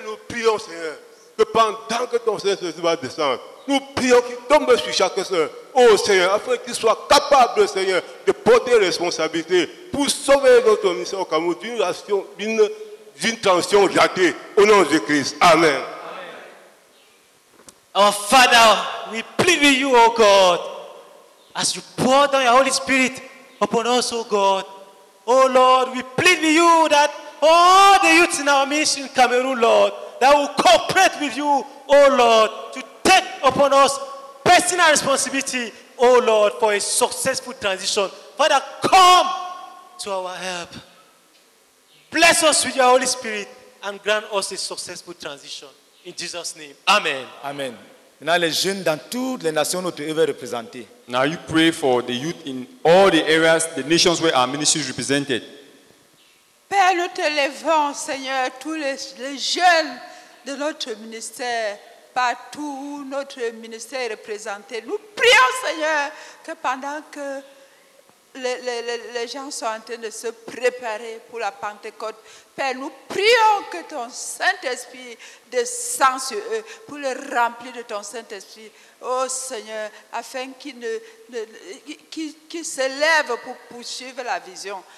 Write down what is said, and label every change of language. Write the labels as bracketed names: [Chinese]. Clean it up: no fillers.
[French] Et nous prions, Seigneur, que pendant que ton Saint-Esprit va descendre, nous prions qu'il tombe sur chaque soeur, oh Seigneur, afin qu'il soit capable, Seigneur, de porter responsabilité pour sauver notre mission au Cameroun d'une transition ratée, au nom de Jésus-Christ. Amen. [English] Our Father, we plead with you, O God, as you pour down your Holy Spirit upon us, O God. O Lord, we plead with you that all the youths in our mission in Cameroon, Lord, that will cooperate with you, O Lord, to take upon us personal responsibility, O Lord, for a successful transition. Father, come to our help. Bless us with your Holy Spirit and grant us a successful transition. In Jesus' name. Amen. Amen. [French] Maintenant, les jeunes dans toutes les nations notre œuvre est représentée. [English] Now you pray for the youth in all the areas, the nations where our ministry is represented. [French] Père, nous te lèvons, Seigneur, tous les jeunes de notre ministère, partout où notre ministère est représenté. Nous prions, Seigneur, que pendant que les gens sont en train de se préparer pour la Pentecôte, Père, nous prions que ton Saint-Esprit descende sur eux pour les remplir de ton Saint-Esprit, oh Seigneur, afin qu'ils se lèvent pour poursuivre la vision.